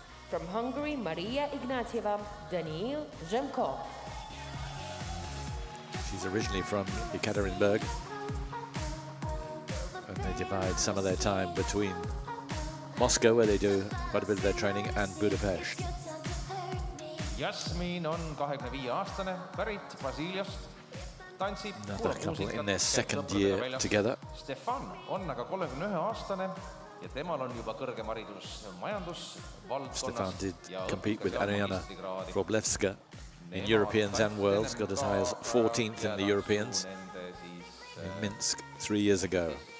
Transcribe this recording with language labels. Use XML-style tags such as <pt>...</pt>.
<en>From Hungary, Maria Ignatieva, Daniil Zhimko. She's originally from Ekaterinburg. And they divide some of their time between Moscow, where they do quite a bit of their training, and Budapest.</en> <et>Jasmin on 25-aastane, pärit Brasiliast. Tantsib</et> <en>another couple in their second year together.</en> <et>Stefan on aga 31-aastane. Ja temal on juba kõrgem haridus majandus valdkonnas.</et> <en>Stefan did compete with Ariana Vroblevska in Europeans and Worlds, got as high as 14th in the Europeans in Minsk 3 years ago.</en>